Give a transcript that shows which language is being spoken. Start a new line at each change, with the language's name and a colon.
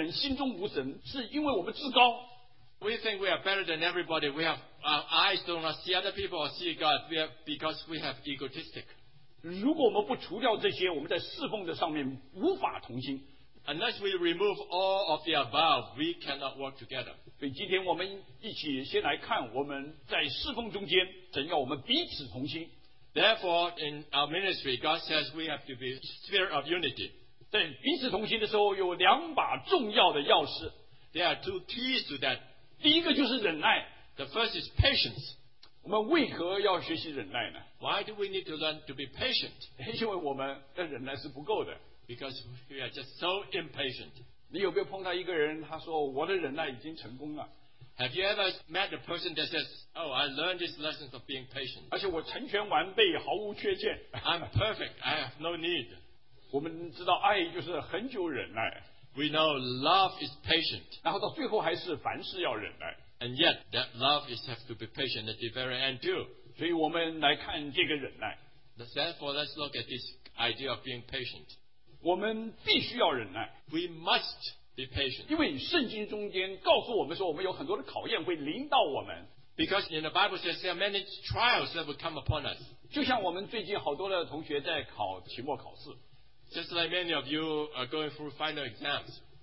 Chinese: 我们看自己比别人强，目中无人，心中无神，是因为我们自高。
English: We think we are better than everybody. We have our eyes do not see other people or see God. We are because we have egotistic.
Chinese: 如果我们不除掉这些，我们在侍奉的上面无法同心。
English: Unless we remove all of the above, we cannot work together.
Chinese: 所以今天我们一起先来看我们在侍奉中间怎样我们彼此同心。
English: Therefore, in our ministry, God says we have to be spirit of unity.
Chinese: 在彼此同心的时候有两把重要的钥匙。
English: There are two keys to that.
Chinese: 第一个就是忍耐。
English: The first is patience.
Chinese: 我们为何要学习忍耐呢？
English: Why do we need to learn to be patient?
Chinese: 因为我们的忍耐是不够的。
English: Because we are just so impatient.
Chinese: 你有没有碰到一个人，他说我的忍耐已经成功了？
English: Have you ever met a person that says, oh, I learned this lesson of being patient.
Chinese: 而且我成全完备，毫无缺陷。
English: I'm perfect. I have no need.
Chinese: 我们知道爱就是恒久忍耐。
English: We know love is patient.
Chinese: 然后到最后还是凡事要忍耐。
English: And yet, that love is have to be patient at the very end too.
Chinese: 所以我们来看这个忍耐。
English: Therefore, let's look at this idea of being patient.
Chinese: 我们必须要忍耐。
English: We must be patient.
Chinese: 因为圣经中间告诉我们说我们有很多的考验会临到我们。
English: Because in the Bible says there are many trials that will come upon us.
Chinese: 就像我们最近好多的同学在考期末考试。
English: Just like many of you are going through final exams.